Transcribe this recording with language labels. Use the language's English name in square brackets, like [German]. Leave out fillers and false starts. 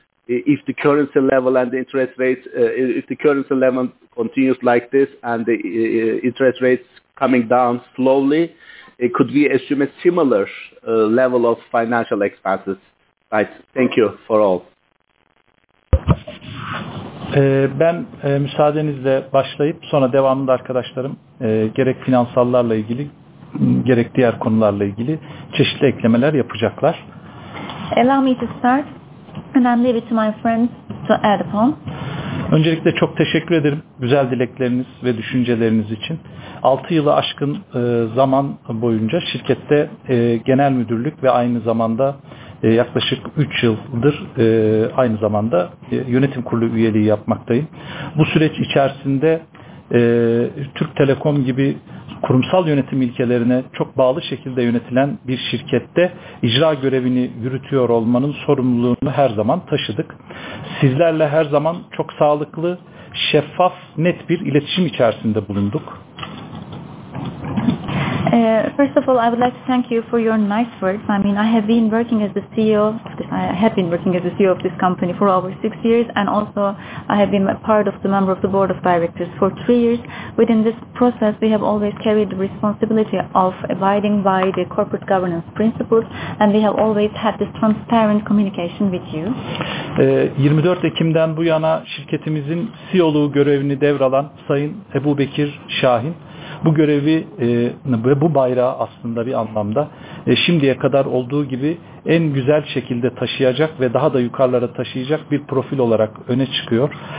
[English] If the currency level and the interest rates, if the currency level continues like this and the interest rates coming down slowly, could we assume a similar level of financial expenses? Right. Thank you for all. [Turkish] Ben müsaadenizle başlayıp sonra devamında arkadaşlarım gerek finansallarla ilgili gerek diğer konularla ilgili çeşitli eklemeler yapacaklar. [English] Allow me to start and then leave it to my friends to add upon. [Turkish] Öncelikle çok teşekkür ederim güzel dilekleriniz ve düşünceleriniz için. 6 yılı aşkın zaman boyunca şirkette genel müdürlük ve aynı zamanda yaklaşık 3 yıldır aynı zamanda yönetim kurulu üyeliği yapmaktayım. Bu süreç içerisinde Türk Telekom gibi kurumsal yönetim ilkelerine çok bağlı şekilde yönetilen bir şirkette icra görevini yürütüyor olmanın sorumluluğunu her zaman taşıdık. Sizlerle her zaman çok sağlıklı, şeffaf, net bir iletişim içerisinde bulunduk. [English] First of all, I would like to thank you for your nice words. I mean, I have been working as the CEO. I have been working as the CEO of this company for over 6 years, and also I have been a part of the member of the board of directors for 3 years. Within this process, we have always carried the responsibility of abiding by the corporate governance principles, and we have always had this transparent communication with you. [Turkish] 24 Ekim'den bu yana şirketimizin CEO'luğu görevini devralan Sayın Ebu Bekir Şahin. Bu görevi ve bu bayrağı aslında bir anlamda şimdiye kadar olduğu gibi en güzel şekilde taşıyacak ve daha da yukarılara taşıyacak bir profil olarak öne çıkıyor.